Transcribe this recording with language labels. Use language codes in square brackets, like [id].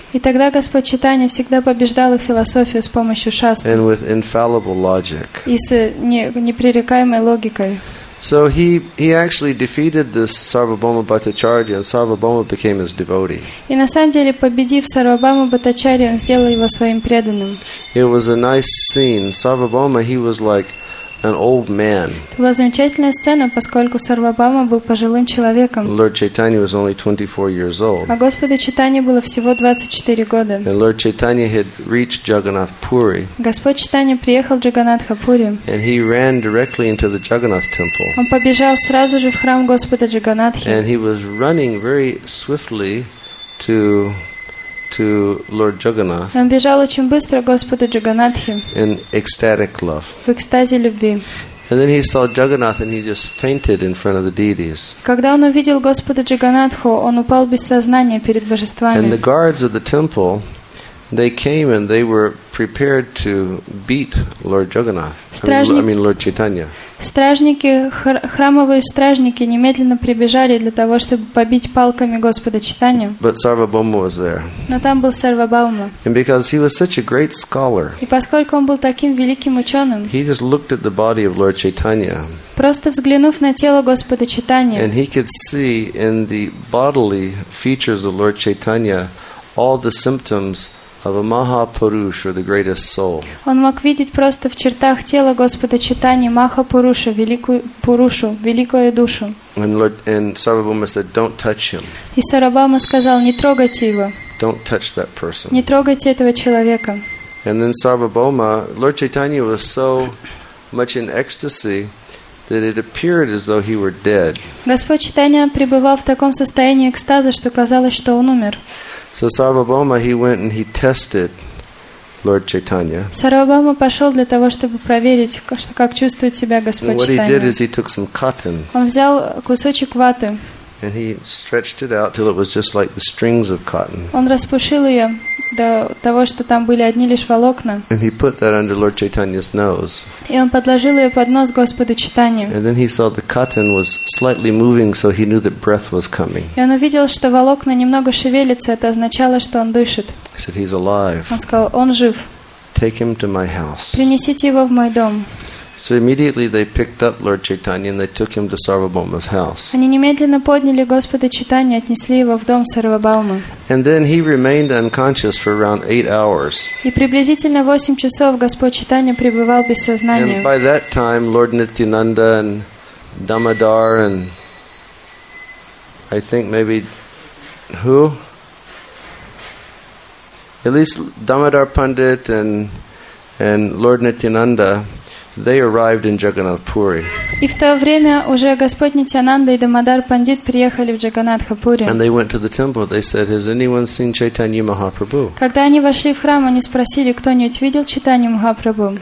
[ru] И тогда Господь Чайтанья всегда побеждал их философию с помощью шастры. [en] And with infallible logic. [ru] И с непререкаемой логикой. [en] So he actually defeated this Sarvabhauma Bhattacharya, and Sarvabhauma became his devotee. [ru] И на самом деле, победив Сарвабхаума Бхаттачарью, он сделал его своим преданным. [en] It was a nice scene. Sarvabhauma, he was like an old man. [ru] Это была замечательная сцена, поскольку Сарвабхаума был пожилым человеком. [en] Lord Chaitanya was only 24 years old. [ru] А Господу Чайтанье было всего 24 года. [en] And Lord Chaitanya had reached Jagannath Puri. [ru] Господь Чайтанья приехал в Джаганатхапури. [en] And he ran directly into the Jagannath temple. [ru] Он побежал сразу же в храм Господа Джаганатхи. [en] And he was running very swiftly to Lord Jagannath. [ru] Он бежал очень быстро к Господу Джаганатхи. [en] In ecstatic love. [ru] В экстазе любви. [en] And then he saw Jagannath and he just fainted in front of the deities. [ru] Когда он увидел Господа Джаганатху, он упал без сознания перед божествами. [en] And the guards of the temple, they came and they were prepared to beat Lord Jagannath. Lord Chaitanya. [ru] Стражники, храмовые стражники немедленно прибежали для того, чтобы побить палками Господа Чайтанью. [en] But Sarvabhauma was there. [ru] Но там был Сарвабхаума. [en] And because he was such a great scholar. [ru] И поскольку он был таким великим ученым. [en] He just looked at the body of Lord Chaitanya. [ru] Просто взглянув на тело Господа Чайтанья. [en] And he could see in the bodily features of Lord Chaitanya all the symptoms of a Mahapurusha, the greatest soul. [ru] Он мог видеть просто в чертах тела Господа Чайтанья Махапуруша, великую Пурушу, великую душу. [en] And Sarvabhauma said, "Don't touch him." [ru] И Сарвабхаума сказал, не трогайте его. [en] Don't touch that person. [ru] Не трогайте этого человека. [en] And then Sarvabhauma, Lord Chaitanya was so much in ecstasy that it appeared as though he were dead. [ru] Господь Чайтанья пребывал в таком состоянии экстаза, что казалось, что он умер. [en] So Sarvabhauma, he went and he tested Lord Chaitanya. [ru] Сарвабхаума пошел для того, чтобы проверить, как чувствует себя Господь Чайтанья. [en] What he did is he took some cotton. [ru] Он взял кусочек ваты. [en] And he stretched it out till it was just like the strings of cotton. [ru] Он распушил её до того, что там были одни лишь волокна. [en] And he put that under Lord Chaitanya's nose. [ru] И он подложил её под нос Господу Читания. [en] And then he saw the cotton was slightly moving, so he knew that breath was coming. [ru] И он увидел, что волокна немного шевелятся, это означало, что он дышит. [en] He said, "He's alive." [ru] Он сказал, он жив. [en] Take him to my house. [ru] Принесите его в мой дом. [en] So immediately they picked up Lord Chaitanya and they took him to Sarvabhauma's house. [ru] Они немедленно подняли Господа Читанию, отнесли его в дом Сарвабхаумы. [en] And then he remained unconscious for around 8 hours. [ru] И приблизительно 8 часов Господь Читания пребывал без сознания. [en] And by that time, Lord Nityananda and Damodar and I think maybe who? At least Damodar Pandit and Lord Nityananda. They arrived in Jagannath Puri. [ru] И в то время уже Господь Нитянанда и Дамодар Пандит приехали в Джаганатхапури. [en] And they went to the temple. They said, "Has anyone seen Chaitanya Mahaprabhu?" [ru] Когда они вошли в храм, они спросили, кто-нибудь видел Чайтанью Махапрабху?